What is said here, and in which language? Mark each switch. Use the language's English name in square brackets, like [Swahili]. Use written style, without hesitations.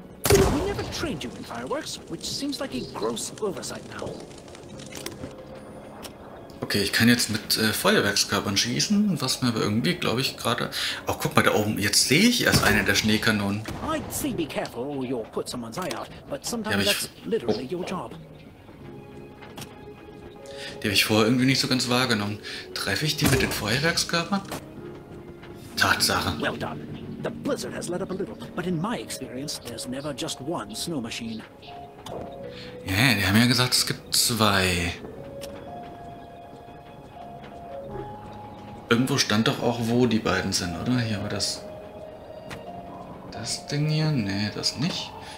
[English] We never trained you in fireworks, which seems like a gross oversight now. [German] Okay, ich kann jetzt mit Feuerwerkskörpern schießen, was mir aber irgendwie, glaube ich, gerade. Oh, guck mal da oben, jetzt sehe ich erst eine der Schneekanonen. [English] I'd say be careful or you'll put someone's eye out, but sometimes that's literally your job. [German] Die habe ich vorher irgendwie nicht so ganz wahrgenommen. Treffe ich die mit den Feuerwerkskörpern? Tatsache. Well done. [English] The blizzard has let up a little, but in my experience, there's never just one snow machine. [German] Ja, die haben ja gesagt, es gibt zwei. Irgendwo stand doch auch, wo die beiden sind, oder? Hier war das. Das Ding hier? Nee, das nicht.